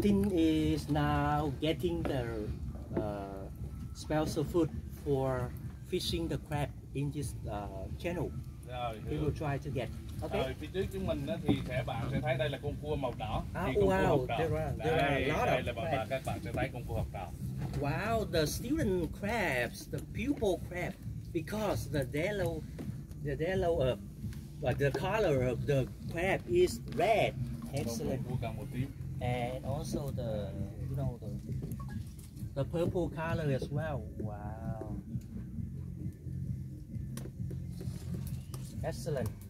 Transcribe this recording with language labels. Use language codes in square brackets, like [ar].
[en] Tin is now getting the special food for fishing the crab in this channel [vi] rồi, [en] he will try to get okay [vi] rồi, phía trước chúng mình thì bạn sẽ thấy đây là con cua màu đỏ các bạn sẽ thấy con cua học trò [en] wow the student crabs the pupil crab because the yellow of but the color of the crab is red excellent and also the you know the purple color as well wow excellent